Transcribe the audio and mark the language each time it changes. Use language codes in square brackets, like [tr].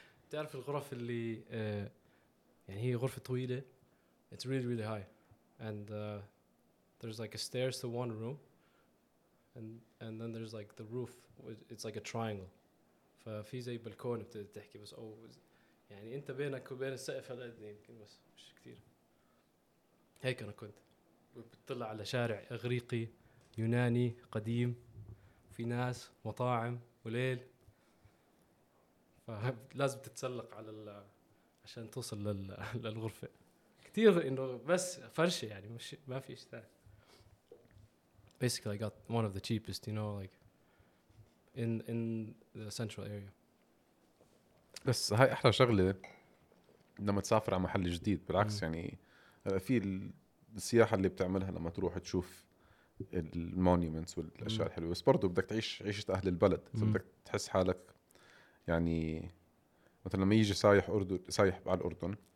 [ar] تعرف الغرف اللي يعني هي غرفة طويلة. [en] It's really really high and there's like a stairs to one room and then there's like the roof. It's like a triangle. [ar] ففي زي بالكون بتبدأ تحكي بس أو يعني أنت بينك وبين السقف هذا يمكن بس مش كتير. هيك أنا كنت بتطلع على شارع إغريقي يوناني قديم في ناس مطاعم وليل. فلازم تتسلق على عشان توصل للغرفة كتير إنه بس فرشة يعني مش ما في إشي ثاني. [en] Basically I got one of the cheapest, you know, like in the central area. [ar] بس هاي أحلى شغلة لما تسافر على محل جديد بالعكس. يعني في السياحة اللي بتعملها لما تروح تشوف المونيومنتس والأشياء الحلوة, بس برضو بدك تعيش عيشة أهل البلد. بدك تحس حالك يعني مثلا لما يجي سايح أردن, سايح على الأردن